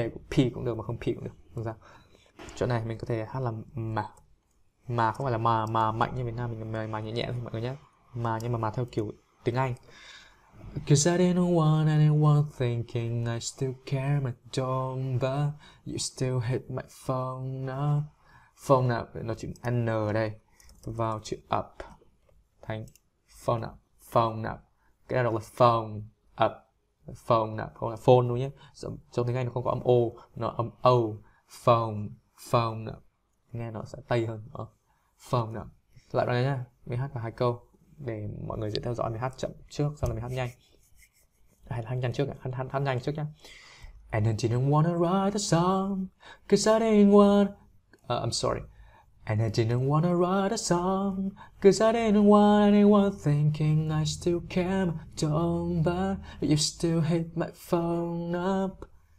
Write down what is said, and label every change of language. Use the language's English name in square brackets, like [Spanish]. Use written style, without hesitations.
[Vietnamese] P cũng được mà không P cũng được, không sao. Chỗ này mình có thể hát là mà không phải là mà mạnh như Việt Nam mình, mà nhẹ nhẹ thôi mọi người nhé, mà nhưng mà theo kiểu tiếng Anh. [English] Cause I didn't want anyone thinking I still care but don't but you still hit my phone up. [Vietnamese] Phone up, nó chữ N ở đây. Vào chữ up thành phone up, phone up. Cái này đọc là phone up, phone up, không là phone luôn nhé. Trong tiếng Anh nó không có âm O, nó âm O. Phone, phone up. Nghe nó sẽ tây hơn. Phone up. Lại đoạn này nhá, mình hát cả hai câu để mọi người dễ theo dõi. Mình hát chậm trước, sau là mình hát nhanh. Hay là hát nhanh trước, hát nhanh trước nhá. [English] And then she didn't wanna write the song, cause I didn't want. I'm sorry. And I didn't wanna write a song, cause I didn't want anyone thinking I still care, but don't, but you still hit my phone up.